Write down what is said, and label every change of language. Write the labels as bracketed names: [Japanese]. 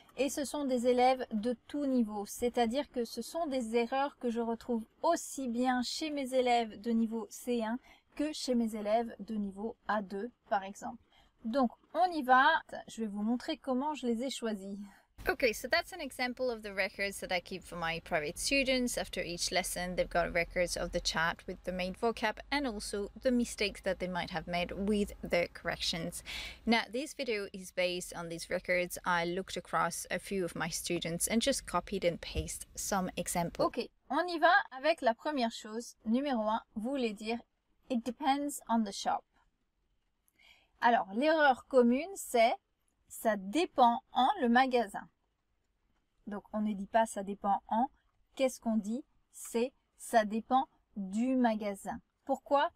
[French] Et ce sont des élèves de tout niveau, c'est-à-dire que ce sont des erreurs que je retrouve aussi bien chez mes élèves de niveau C1 que chez mes élèves de niveau A2, par exemple. Donc, on y va. Je vais vous montrer comment je les ai choisis. [English] Okay, so that's an example of the records that I keep for my private students. After each lesson, they've got records of the chat with the main vocab and also the mistakes that they might have made with the corrections. Now, this video is based on these records. I looked across a few of my students and just copied and pasted some examples. [French] Okay, on y va avec la première chose. Numéro 1, vous voulez dire « [English] it depends on the shop ». [French] Alors, l'erreur commune, c'est ça dépend en le magasin. Donc, on ne dit pas ça dépend en. Qu'est-ce qu'on dit? C'est ça dépend du magasin. Pourquoi?